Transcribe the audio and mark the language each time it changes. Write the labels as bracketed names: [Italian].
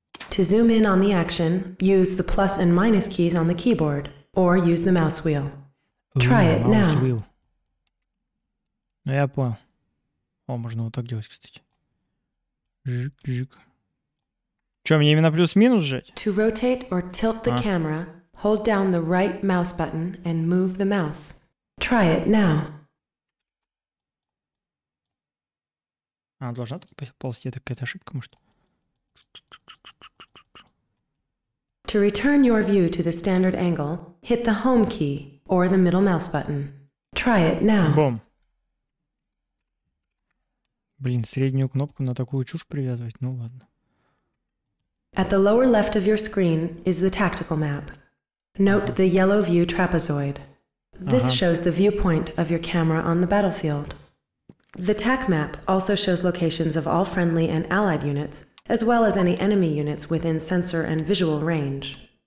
[English] To zoom in on the action, use the plus and minus keys on the keyboard, or use the mouse wheel. Try it now. Mouse wheel. [Russian] Ну, я понял. О, можно вот так делать, кстати. Жик-жик. Че, мне именно плюс-минус жать? [English] To rotate or tilt the camera, hold down the right mouse button and move the mouse. Try it now. [Russian] А, должна так ползти, это какая-то ошибка, может? To return your view to the standard angle, hit the home key or the middle mouse button. Try it now. Бом. Блин, среднюю кнопку на такую чушь привязывать? Ну ладно. [English] At the lower left of your screen is the tactical map. Note the yellow view trapezoid. This shows the viewpoint of your camera on the battlefield. The TAC map also shows locations of all friendly and allied units, as well as any enemy units within sensor and visual range.